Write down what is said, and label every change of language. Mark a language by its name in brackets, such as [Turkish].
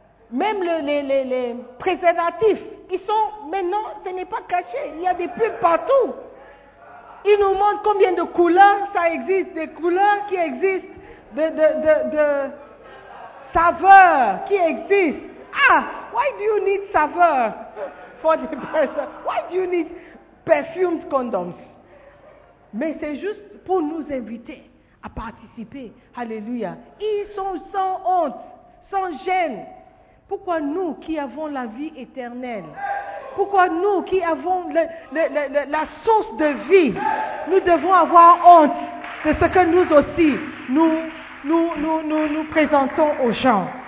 [French] Même les préservatifs, ils sont, maintenant, ce n'est pas caché. Il y a des pubs partout. Ils nous montrent combien de couleurs ça existe, des couleurs qui existent, de saveurs qui existent. [English] Ah, why do you need saveur for the person? Why do you need perfumed condoms? [French] Mais c'est juste pour nous inviter à participer. Alléluia. Ils sont sans honte, sans gêne. Pourquoi nous qui avons la vie éternelle, pourquoi nous qui avons la source de vie, nous devons avoir honte de ce que nous aussi, nous présentons aux gens.